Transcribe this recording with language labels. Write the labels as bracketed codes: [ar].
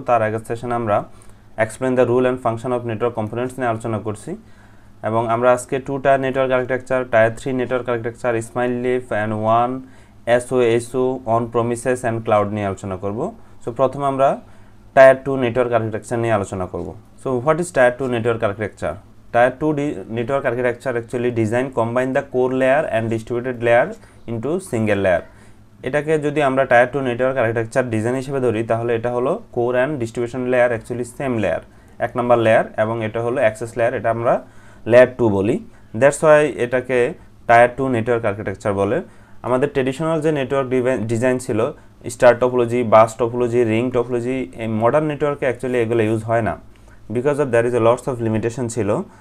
[bn] তার আগের সেশনে আমরা [en] explain the role and function of network components [bn] নিয়ে আলোচনা করছি এবং আমরা আজকে two tier network architecture, tyre three network architecture, smile leaf and one SOHO, on promises and cloud নিয়ে আলোচনা করব। সো প্রথমে আমরা টায়ার টু নেটওয়ার্ক আর্কিটেকচার নিয়ে আলোচনা করব। [en] So what is tier two network architecture? Tier 2 network architecture actually design combine the core layer and distributed layer into single layer. [bn] এটাকে যদি আমরা tier 2 network architecture design হিসেবে ধরি তাহলে এটা হলো [en] core and distribution layer actually same layer, [bn] এক number layer এবং এটা হলো access layer, এটা আমরা layer 2 বলি। [en] That's why [bn] এটাকে tier 2 network architecture বলে। আমাদের traditional যে network design ছিল star topology, bus topology, ring topology, এই modern network এ actually এগুলো use হয় না। [en] Because of there is a lots of limitation [bn] chilo.